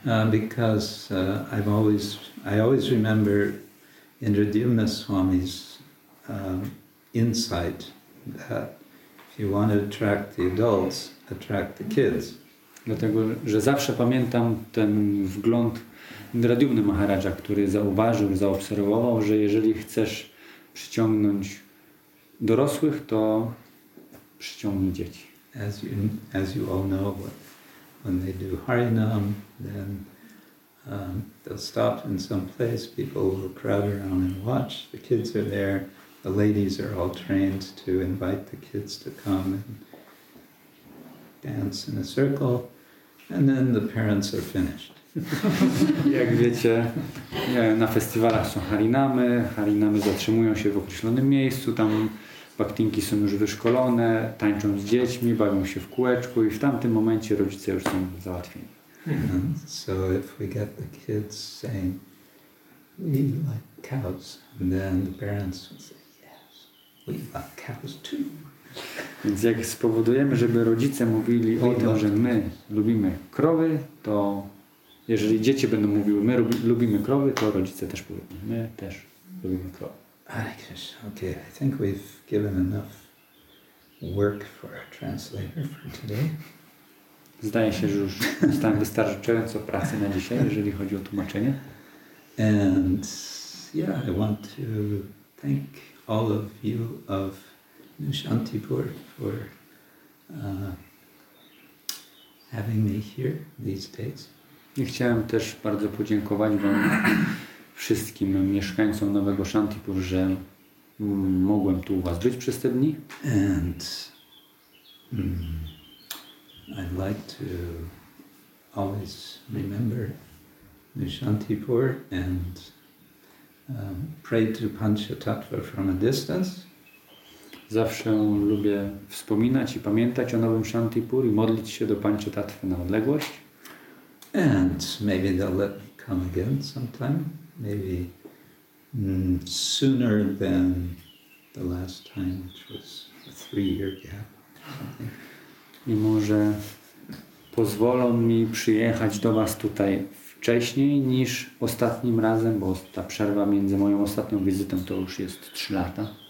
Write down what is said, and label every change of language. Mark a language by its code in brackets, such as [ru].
[en] Because I always remember Indra Dyumna Swami's insight that if you want to attract the adults, attract the kids. [pl] Dlatego, że zawsze pamiętam ten wgląd Indra Dyumny Maharaja, który zauważył, zaobserwował, że jeżeli chcesz przyciągnąć dorosłych, to przyciągnij dzieci. [en] As you all know, when they do Harinam, then they'll stop in some place, people will crowd around and watch, the kids are there, the ladies are all trained to invite the kids to come and dance in a circle, and then the parents are finished. [pl] Jak wiecie, na festiwalach są harinamy zatrzymują się w określonym miejscu, tam Baktinki są już wyszkolone, tańczą z dziećmi, bawią się w kółeczku i w tamtym momencie rodzice już są załatwieni. [en] So if we get the kids saying, we like cows, and then the parents would say, yes, we like cows too. [pl] Więc jak spowodujemy, żeby rodzice mówili o tym, że my lubimy krowy, to jeżeli dzieci będą mówiły, my lubimy krowy, to rodzice też powiedzą, my też lubimy krowy. [en] Okay, I think we've given enough work for our translator for today. [pl] Zdaje się, że już dostałem wystarczająco pracy na dzisiaj, jeżeli chodzi o tłumaczenie. [en] And yeah, I want to thank all of you of Nushantipur for having me here these days. [pl] I chciałem też bardzo podziękować wam wszystkim mieszkańcom Nowego Shantipur, że mogłem tu u was być przez te dni. [en] And I'd like to always remember Nushantipur and pray to Panchatattva from a distance. [pl] Zawsze lubię wspominać i pamiętać o Nowym Shantipur i modlić się do Panchatattwy na odległość. [en] And maybe they'll let me come again sometime. Maybe sooner than the last time, which was a 3-year gap. [pl] I może pozwolą mi przyjechać do was tutaj wcześniej niż ostatnim razem, bo ta przerwa między moją ostatnią wizytą to już jest 3 lata.